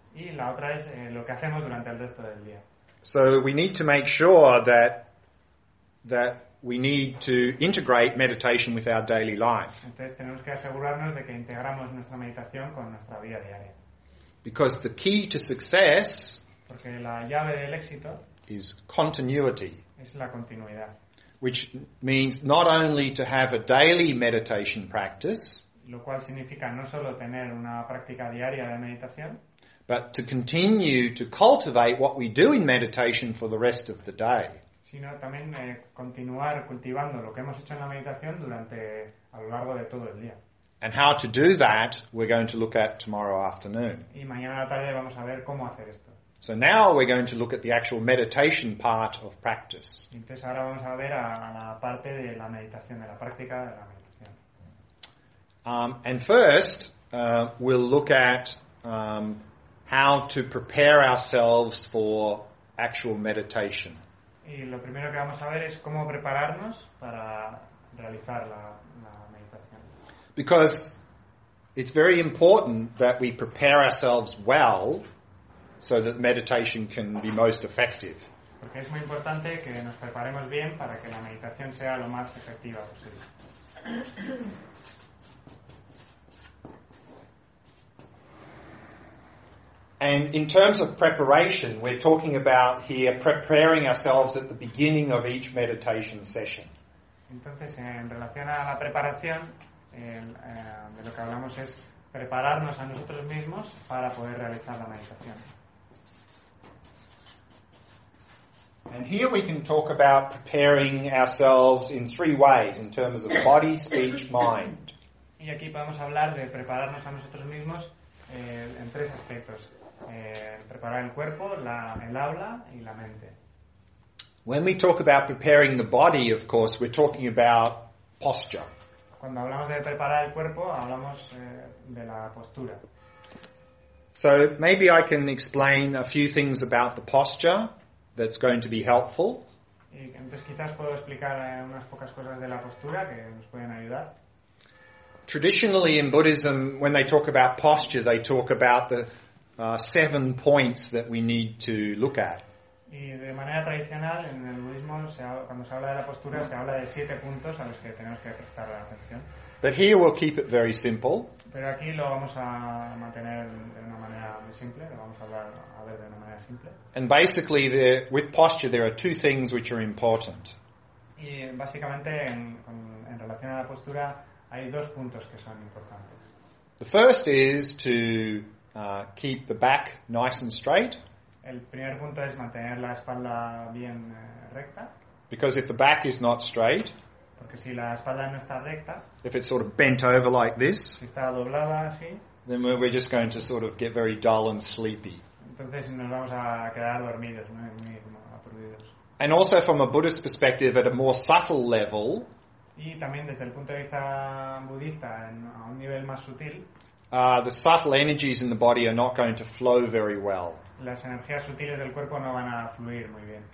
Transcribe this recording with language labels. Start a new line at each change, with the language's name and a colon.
Spanish: Y la otra es lo que hacemos durante el resto del día.
English: So we need to make sure that we need to integrate meditation with our daily life.
Spanish: Entonces tenemos que asegurarnos de que integramos nuestra meditación con nuestra vida diaria.
English: Because the key to success,
Spanish: porque la llave del éxito,
English: is continuity.
Spanish: Es la continuidad.
English: Which means not only to have a daily meditation practice,
Spanish: lo cual significa no solo tener una práctica diaria de meditación,
English: but to continue to cultivate what we do in meditation for the rest of the day,
Spanish: sino también continuar cultivando lo que hemos hecho en la meditación durante a lo largo de todo el día.
English: And how to do that we're going to look at tomorrow afternoon.
Spanish: Y mañana a la tarde vamos a ver cómo hacer esto.
English: So now we're going to look at the actual meditation part of practice.
Spanish: Entonces ahora vamos a ver a la parte de la meditación, de la práctica de la meditación.
English: And first we'll look at how to prepare ourselves for actual meditation.
Spanish: Y lo primero que vamos a ver es cómo prepararnos para realizar la meditación.
English: Because it's very important that we prepare ourselves well so that meditation can be most effective.
Spanish: Porque es muy importante que nos preparemos bien para que la meditación sea lo más efectiva posible.
English: And in terms of preparation, we're talking about here preparing ourselves at the beginning of each meditation session.
Spanish: Entonces, en relación a la preparación, de lo que hablamos es prepararnos a nosotros mismos para poder realizar la meditación.
English: And here we can talk about preparing ourselves in three ways, in terms of body, speech, mind.
Spanish: Y aquí podemos hablar de prepararnos a nosotros mismos en tres aspectos. Preparar el cuerpo, el habla y la mente.
English: When we talk about preparing the body, of course, we're talking about posture.
Spanish: Cuando hablamos de preparar el cuerpo, hablamos de la postura.
English: So maybe I can explain a few things about the posture that's going to be helpful.
Spanish: Y entonces quizás puedo explicar unas pocas cosas de la postura que nos pueden ayudar.
English: Traditionally in Buddhism, when they talk about posture, they talk about the 7 points that we need to look at.
Spanish: Y de manera tradicional en el budismo cuando se habla de la postura se habla de 7 puntos a los que tenemos que prestar la atención.
English: But here we'll keep it very simple.
Spanish: Pero aquí lo vamos a mantener de una manera muy simple, lo vamos a ver de una manera simple.
English: And basically with posture there are 2 things which are important.
Spanish: Y básicamente en relación a la postura hay 2 puntos que son importantes.
English: The first is to keep the back nice and straight.
Spanish: El primer punto es mantener la espalda bien recta.
English: Because if the back is not straight,
Spanish: porque si la espalda no está recta,
English: if it's sort of bent over like this,
Spanish: si está doblada así,
English: then we're just going to sort of get very dull and sleepy.
Spanish: Entonces nos vamos a quedar dormidos, muy aturdidos.
English: And also from a Buddhist perspective, at a more subtle level,
Spanish: Y también desde el punto de vista budista, a un nivel más sutil,
English: The subtle energies in the body are not going to flow very well.
Spanish: Las energías sutiles del cuerpo no van a fluir muy bien.